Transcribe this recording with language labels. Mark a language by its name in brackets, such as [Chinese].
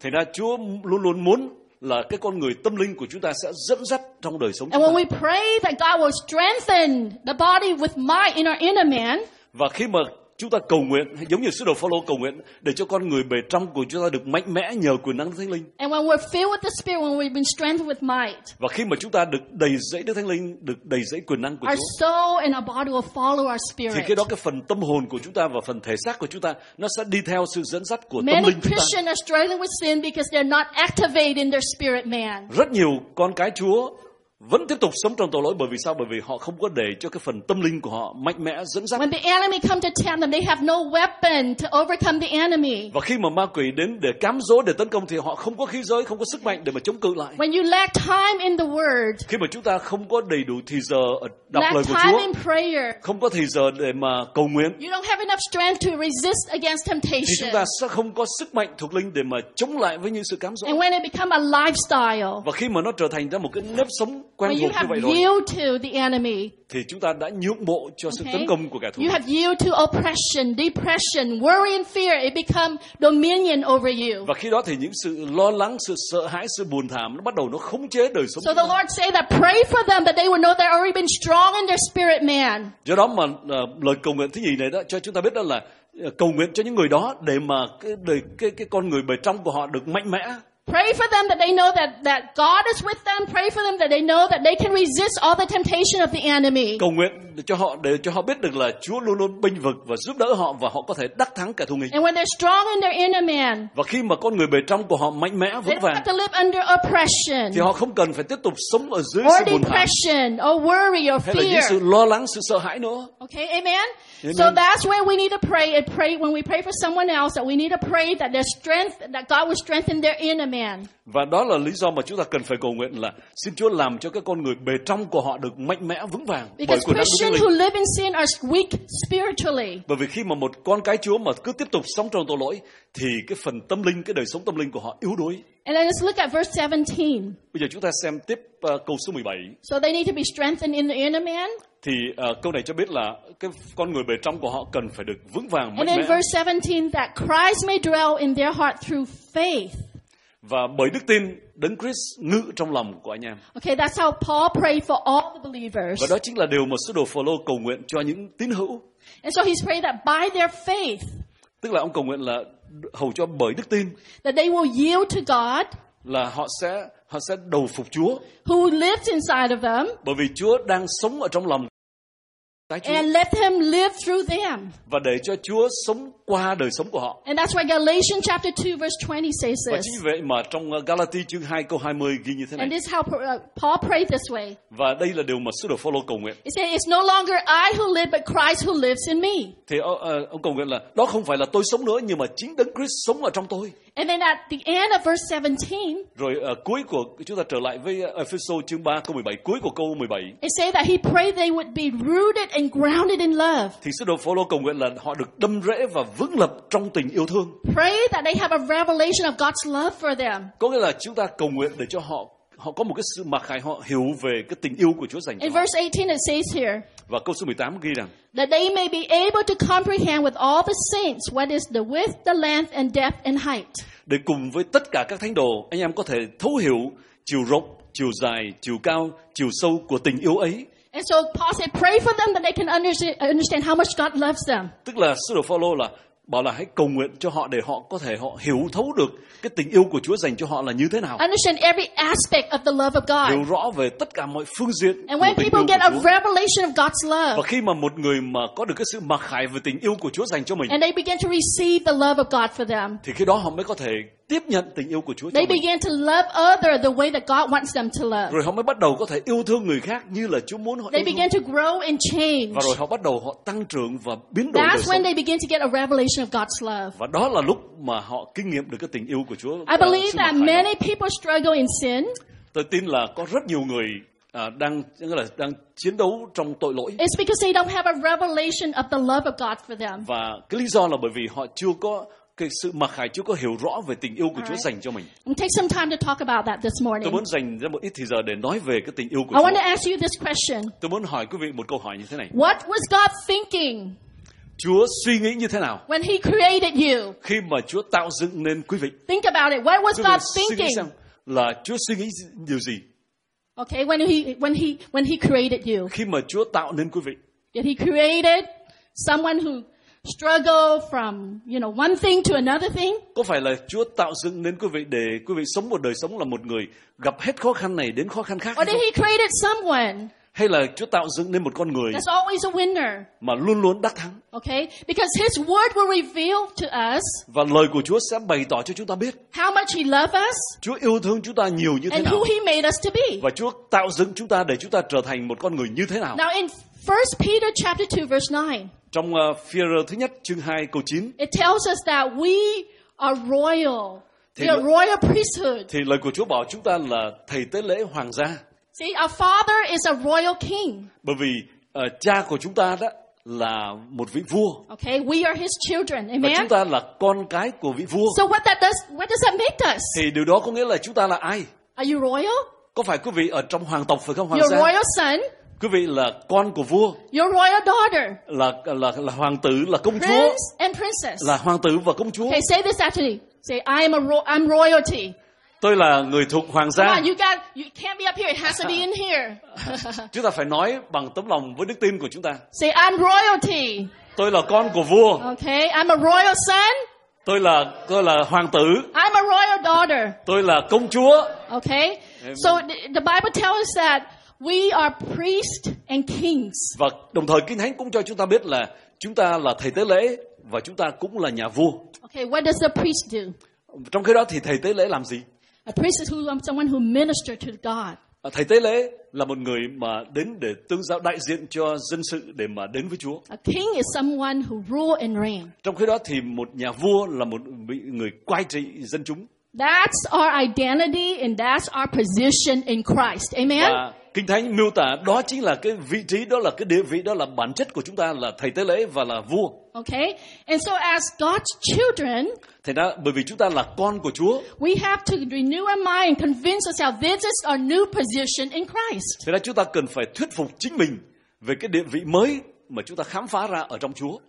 [Vietnamese] Thế nên Chúa luôn luôn muốn là cái con người tâm linh của chúng ta sẽ dẫn dắt trong đời sống. [English] And when we pray that God will strengthen the body with might in our inner man. [Vietnamese] Và khi mà chúng ta cầu nguyện giống như sứ đồ Phaolô cầu nguyện để cho con người bề trong của chúng ta được mạnh mẽ nhờ quyền năng Thánh Linh. [English] And when we're filled with the Spirit, when we've been strengthened with might. [Vietnamese] Và khi mà chúng ta được đầy dẫy Đức Thánh Linh, được đầy dẫy quyền năng của Chúa. [English] Our soul and our body will follow our spirit. [Vietnamese] Thì cái đó cái phần tâm hồn của chúng ta và phần thể xác của chúng ta nó sẽ đi theo sự dẫn dắt của [English] Many [Vietnamese] tâm linh [English] Christians [Vietnamese] chúng ta. [English] Are struggling with sin because they're not activating their spirit man. [Vietnamese] Rất nhiều con cái Chúa vẫn tiếp tục sống trong tội lỗi bởi vì sao? Bởi vì họ không có để cho cái phần tâm linh của họ mạnh mẽ dẫn dắt. [English] When the enemy come to tempt them, they have no weapon to overcome the enemy. [Vietnamese] Và khi mà ma quỷ đến để cám dỗ, để tấn công thì họ không có khí giới, không có sức mạnh để mà chống cự lại. [English] When you lack time in the word, [Vietnamese] khi mà chúng ta không có đầy đủ thời giờ đọc lời của [English] time [Vietnamese] Chúa, [English] in prayer, [Vietnamese] không có thời giờ để mà cầu nguyện, [English] you don't have enough strength to resist against temptation. [Vietnamese] Thì chúng ta sẽ không có sức mạnh thuộc linh để mà chống lại với những sự cám dỗ. [English] And when it become a lifestyle, [Vietnamese] và khi mà nó trở thành ra một cái nếp sống quen thuộc như vậy rồi, thì chúng ta đã nhượng bộ cho sự tấn công của kẻ thù. [English] You have yielded to oppression, depression, worry and fear. It become dominion over you. [Vietnamese] Và khi đó thì những sự lo lắng, sự sợ hãi, sự buồn thảm nó bắt đầu nó khống chế đời sống. [English] So the Lord say that pray for them that they would know they've already been strong in their spirit man. [Vietnamese] Do đó mà lời cầu nguyện thứ gì này đó cho chúng ta biết đó là cầu nguyện cho những người đó để mà cái con người bề trong của họ được mạnh mẽ. [English] Pray for them that they know that God is with them. Pray for them that they know that they can resist all the temptation of the enemy. [Vietnamese] Cầu nguyện cho họ để cho họ biết được là Chúa luôn luôn bênh vực và giúp đỡ họ và họ có thể đắc thắng kẻ thù nghịch. [English] And when they're strong in their inner man. [Vietnamese] Và khi mà con người bề trong của họ mạnh mẽ vững vàng. [English] They don't have to live under oppression. [Vietnamese] Thì họ không cần phải tiếp tục sống ở dưới sự buồn thảm. [English] Or depression, or worry, or fear. [Vietnamese] Hay là những sự lo lắng, sự sợ hãi nữa. [English] Okay, amen. So that's where we need to pray. And pray when we pray for someone else that we need to pray that their strength, that God will strengthen their inner man. [Vietnamese] Và đó là lý do mà chúng ta cần phải cầu nguyện là xin Chúa làm cho cái con người bề trong của họ được mạnh mẽ vững vàng bởi quyền năng của Thánh Linh. [English] Because Christians who live in sin are weak spiritually. [Vietnamese] Bởi vì khi mà một con cái Chúa mà cứ tiếp tục sống trong tội lỗi thì cái phần tâm linh, cái đời sống tâm linh của họ yếu đuối. [English] And then let's look at verse 17. [Vietnamese] Bây giờ chúng ta xem tiếp câu số 17. [English] So they need to be strengthened in the inner man. [Vietnamese] Thì câu này cho biết là cái con người bề trong của họ cần phải được vững vàng mạnh mẽ. [English] And in verse 17 that Christ may dwell in their heart through faith. [Vietnamese] Và bởi đức tin Đấng Christ ngự trong lòng của anh em. [English] Okay, that's how Paul prayed for all the believers. [Vietnamese] Và đó chính là điều mà sứ đồ Phaolô cầu nguyện cho những tín hữu. [English] And so he's praying that by their faith. [Vietnamese] Tức là ông cầu nguyện là hầu cho bởi đức tin. [English] That they will yield to God. [Vietnamese] Là họ sẽ đầu phục Chúa. [English] Who lives inside of them. [Vietnamese] Bởi vì Chúa đang sống ở trong lòng. [English] And let him live through them. [Vietnamese] Và để cho Chúa sống qua đời sống của họ. [English] And that's why Galatians chapter 2 verse 20 says this. [Vietnamese] Và chính vậy mà trong Galati chương 2 câu 20 ghi như thế này. [English] And this is how Paul prayed this way. [Vietnamese] Và đây là điều mà sứ đồ Phaolô cầu nguyện. [English] He said, "It's no longer I who live, but Christ who lives in me." [Vietnamese] Thì ông cầu nguyện là đó không phải là tôi sống nữa nhưng mà chính Đấng Christ sống ở trong tôi. [English] And then at the end of verse 17. [Vietnamese] Rồi cuối của chúng ta trở lại với Ephesians chương 3 câu 17, cuối của câu 17. [English] It says that he prayed they would be rooted and grounded in love. [Vietnamese] Thì sứ đồ Phaolô cầu nguyện là họ được đâm rễ và vững lập trong tình yêu thương. [English] Pray that they have a revelation of God's love for them. [Vietnamese] Có nghĩa là chúng ta cầu nguyện để cho họ có một cái sự mặc khải, họ hiểu về cái tình yêu của Chúa dành cho họ. [English] In verse 18 it says here. [Vietnamese] Và câu số 18 ghi rằng [English] that they may be able to comprehend with all the saints what is the width, the length and depth and height. [Vietnamese] Để cùng với tất cả các thánh đồ, anh em có thể thấu hiểu chiều rộng, chiều dài, chiều cao, chiều sâu của tình yêu ấy. [English] And so Paul said, pray for them that they can understand how much God loves them. [Vietnamese] Tức là sứ đồ Phaolô là bảo là hãy cầu nguyện cho họ để họ có thể họ hiểu thấu được cái tình yêu của Chúa dành cho họ là như thế nào. [English] Understand every aspect of the love of God. [Vietnamese] Hiểu rõ về tất cả mọi phương diện. [English] And when people get a revelation of God's love. [Vietnamese] Và khi mà một người mà có được cái sự mặc khải về tình yêu của Chúa dành cho mình. [English] And they begin to receive the love of God for them. [Vietnamese] Thì khi đó họ mới có thể tiếp nhận tình yêu của Chúa. [English] They begin to love other the way that God wants them to love. [Vietnamese] Rồi họ mới bắt đầu có thể yêu thương người khác như là Chúa muốn họ yêu. [English] They begin to grow and change. [Vietnamese] Và rồi họ bắt đầu họ tăng trưởng và biến đổi. [English] That's when they begin to get a revelation of God's love. [Vietnamese] Và đó là lúc mà họ kinh nghiệm được cái tình yêu của Chúa. [English] I believe that many people struggle in sin. [Vietnamese] Tôi tin là có rất nhiều người đang chiến đấu trong tội lỗi. [English] It's because they don't have a revelation of the love of God for them. [Vietnamese] Và cái lý do là bởi vì họ chưa có cái sự mặc khải, Chúa có hiểu rõ về tình yêu của Chúa dành cho mình. [English] Take some time to talk about that this morning. [Vietnamese] Tôi muốn dành ra một ít thời giờ để nói về cái tình yêu của [English] Chúa. I want to ask you this question. [Vietnamese] Tôi muốn hỏi quý vị một câu hỏi như thế này. [English] What was God thinking? [Vietnamese] Chúa suy nghĩ như thế nào? [English] When he created you. [Vietnamese] Khi mà Chúa tạo dựng nên quý vị. [English] Think about it. What was God thinking? [Vietnamese] Là Chúa suy nghĩ điều gì? [English] Okay, when he created you. [Vietnamese] Khi mà Chúa tạo nên quý vị. [English] Did he created someone who struggle from, you know, one thing to another thing? [Vietnamese] Có phải là Chúa tạo dựng nên quý vị để quý vị sống một đời sống là một người gặp hết khó khăn này đến khó khăn khác? [English] Or did he created someone? [Vietnamese] Hay là Chúa tạo dựng nên một con người [English] that's always a winner. [Vietnamese] Mà luôn luôn đắc thắng? [English] Okay, because his word will reveal to us. [Vietnamese] Và lời của Chúa sẽ bày tỏ cho chúng ta biết. [English] How much he loves us? [Vietnamese] Chúa yêu thương chúng ta nhiều như thế [English] and [Vietnamese] nào? [English] And who he made us to be? [Vietnamese] Và Chúa tạo dựng chúng ta để chúng ta trở thành một con người như thế nào? [English] Now in 1 Peter chapter 2 verse 9. [Vietnamese] Trong Phi-e-rơ thứ nhất chương 2 câu 9. [English] It tells us that we are royal. We are royal priesthood. [Vietnamese] Thì lời của Chúa bảo chúng ta là thầy tế lễ hoàng gia. [English] See, our father is a royal king. [Vietnamese] Bởi vì cha của chúng ta đó là một vị vua. [English] Okay, we are his children. Amen. [Vietnamese] Và chúng ta là con cái của vị vua. [English] So what does that make us? [Vietnamese] Thì điều đó có nghĩa là chúng ta là ai? [English] Are you royal? [Vietnamese] Có phải quý vị ở trong hoàng tộc phải không hoàng [English] gia? Your royal son. [Vietnamese] Quý vị là con của vua. [English] Your royal daughter. [Vietnamese] Là hoàng tử, là công [English] Prince [Vietnamese] chúa. [English] Prince and princess. [Vietnamese] Là hoàng tử và công chúa. [English] Okay, say this after me. Say I am a I'm royalty. [Vietnamese] Tôi là người thuộc hoàng gia. [English] Come on, you can't be up here. It has to be in here. [Vietnamese] Chúng ta phải nói bằng tấm lòng với đức tin của chúng ta. [English] Say I'm royalty. [Vietnamese] Tôi là con của vua. [English] Okay, I'm a royal son. [Vietnamese] Tôi là hoàng tử. [English] I'm a royal daughter. [Vietnamese] Tôi là công chúa. [English] Okay. Amen. So the Bible tells us that we are priests and kings. [Vietnamese] Và đồng thời Kinh Thánh cũng cho chúng ta biết là chúng ta là thầy tế lễ và chúng ta cũng là nhà vua. [English] Okay, what does a priest do? [Vietnamese] Trong khi đó thì thầy tế lễ làm gì? [English] A priest is someone who ministers to God. [Vietnamese] Thầy tế lễ là một người mà đến để tương giao đại diện cho dân sự để mà đến với Chúa. [English] A king is someone who rule and reign. [Vietnamese] Trong khi đó thì một nhà vua là một người cai trị dân chúng. [English] That's our identity and that's our position in Christ. Amen. [Vietnamese] Và Kinh Thánh miêu tả đó chính là cái vị trí, đó là cái địa vị, đó là bản chất của chúng ta là thầy tế lễ và là vua. [English] Okay. And so as God's children, [Vietnamese] thế đó, bởi vì chúng ta là con của Chúa, [English] we have to renew our mind, convince ourselves this is our new position in Christ. [Vietnamese] Thế đó, chúng ta cần phải thuyết phục chính mình về cái địa vị mới mà chúng ta khám phá ra ở trong Chúa.